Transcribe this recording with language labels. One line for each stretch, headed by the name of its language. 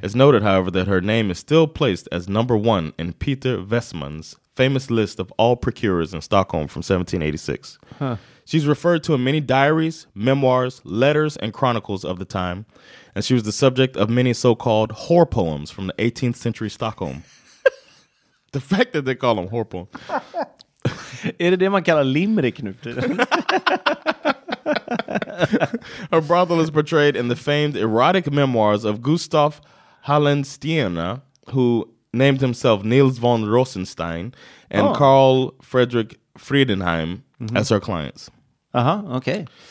English: It's noted, however, that her name is still placed as number one in Peter Westman's famous list of all procurers in Stockholm from 1786. Huh. She's referred to in many diaries, memoirs, letters, and chronicles of the time, and she was the subject of many so-called whore poems from the 18th century Stockholm. The fact that they call them whore poems.
Swedish: Är det det man kallar limerick nu för tiden?
English: Her brothel is portrayed in the famed erotic memoirs of Gustav Hallenstein, who named himself Niels von Rosenstein, and Carl Friedrich Friedenheim as her clients. Uh-huh, okay.